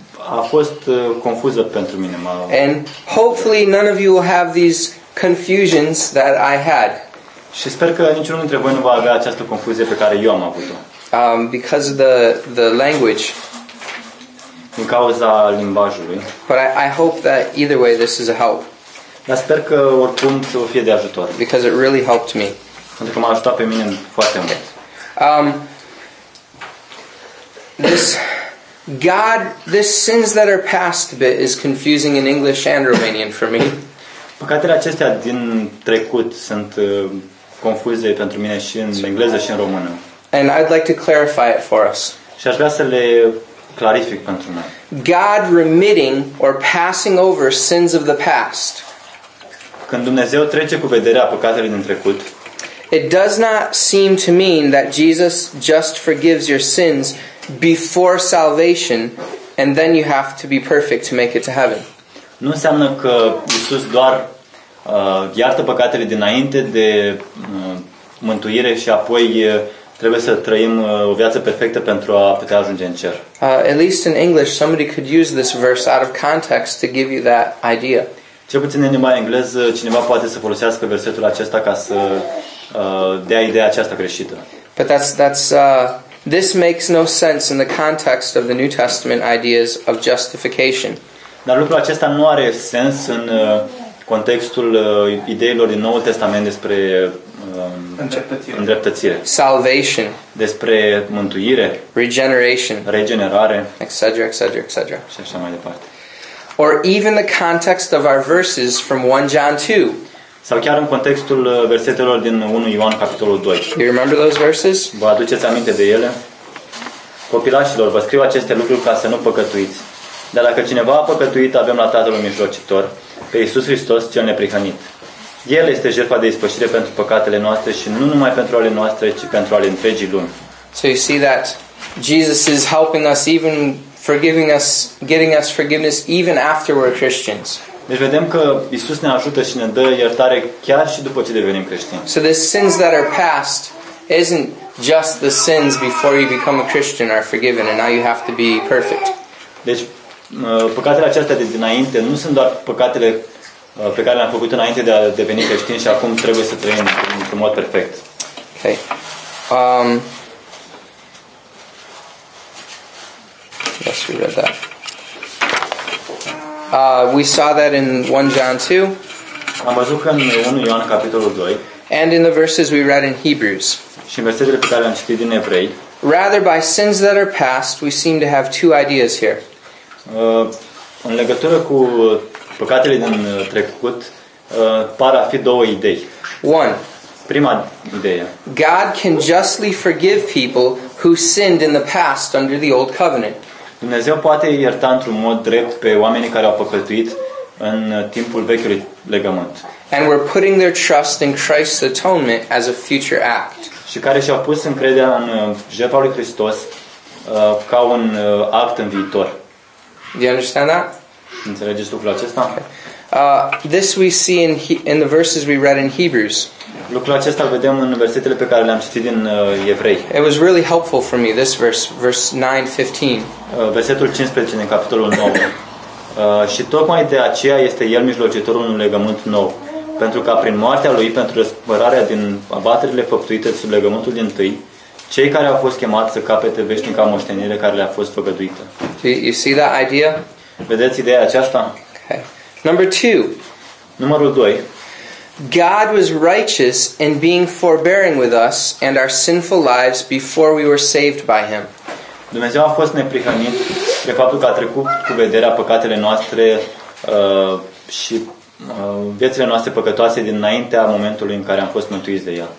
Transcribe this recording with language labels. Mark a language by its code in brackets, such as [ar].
[ro] A fost confuză pentru mine. [en] And hopefully none of you will have these confusions that I had. [ro] Și sper că niciunul dintre voi nu va avea această confuzie pe care eu am avut-o. [en] Because of the language. [ro] Din cauza limbajului. [en] But I hope that either way this is a help. [ro] Dar sper că oricum să fie de ajutor. [en] Because it really helped me. [ro] Pentru că m-a ajutat pe mine foarte mult. [en] This sins that are past bit is confusing in English and Romanian for me. [ro] Păcatele acestea din trecut sunt confuze pentru mine și în engleză și în română. [en] And I'd like to clarify it for us. [ro] Și aș vrea să le clarific pentru noi. [en] God remitting or passing over sins of the past. [ro] Când Dumnezeu trece cu vederea păcatele din trecut. [en] It does not seem to mean that Jesus just forgives your sins before salvation and then you have to be perfect to make it to heaven. [ro] Nu înseamnă că Iisus doar iartă păcatele dinainte de mântuire și apoi trebuie să trăim o viață perfectă pentru a putea ajunge în cer. [en] At least in English, somebody could use this verse out of context to give you that idea. [ro] Cel puțin în limba engleză, cineva poate să folosească versetul acesta ca să dea ideea aceasta greșită. [en] But this makes no sense in the context of the New Testament ideas of justification. [ro] Dar lucrul acesta nu are sens în contextul ideilor din Noul Testament despre îndreptățire. [en] Salvation. [ro] Despre mântuire. [en] Regeneration. [ro] Regenerare. [en] Etc., etc., etc. [ro] Și așa mai departe. [en] Or even the context of our verses from 1 John 2. [ro] Sau chiar în contextul versetelor din 1 Ioan capitolul 2. [en] You remember those verses? [ro] Vă aduceți aminte de ele? Copilașilor, vă scriu aceste lucruri ca să nu păcătuiți. Dar dacă cineva a păcătuit, avem la Tatăl Mijlocitor, pe Iisus Hristos, cel neprihănit. El este jertfa de ispășire pentru păcatele noastre și nu numai pentru ale noastre, ci pentru ale întregii lumi. [en] So you see that Jesus is helping us, even forgiving us, getting us forgiveness even after we're Christians. [ro] Deci vedem că Iisus ne ajută și ne dă iertare chiar și după ce devenim creștini. [en] So the sins that are past isn't just the sins before you become a Christian are forgiven and now you have to be perfect. [ro] Deci păcatele acestea de dinainte nu sunt doar păcatele pe care le-am făcut înainte de a deveni creștin și acum trebuie să trăim într-un mod perfect. [en] Okay. Yes, we read that. We saw that in 1 John 2. [ro] Am văzut că în 1 Ioan capitolul 2. [en] And in the verses we read in Hebrews. [ro] Și în versetele pe care le-am citit din Evrei. [en] Rather, by sins that are past, we seem to have two ideas here. [ro] În legătură cu păcatele din trecut, par a fi două idei. [en] One. [ro] Prima idee. [en] God can justly forgive people who sinned in the past under the old covenant. [ro] Dumnezeu poate ierta într-un mod drept pe oamenii care au păcătuit în timpul vechiului legământ. [en] And we're putting their trust in Christ's atonement as a future act. [ro] Și care și-au pus încrederea în jertfa lui Hristos ca un act în viitor. [en] Do you understand that? [ro] Înțelegeți lucrul acesta? [en] This we see in the verses we read in Hebrews. [ro] Lucrul acesta îl vedem în versetele pe care le-am citit din Evrei. [en] It was really helpful for me, this verse 9:15. [ro] Versetul 15 din capitolul 9. Și tocmai de aceea este el mijlocitorul unui legământ nou, pentru ca prin moartea lui, pentru răspărarea din abaterile făptuite sub legământul din tâi, cei care au fost chemați să capete veșnica moștenire care le-a fost făgăduită. [en] You see that idea? [ro] Vedeți ideea aceasta? [en] Okay. Number 2. [ro] Numărul 2. [en] God was righteous in being forbearing with us and our sinful lives before we were saved by him. [ro] Dumnezeu a fost neprihănit de faptul că a trecut cu vederea păcatele noastre și viețile noastre păcătoase dinaintea momentului în care am fost mântuiți de el.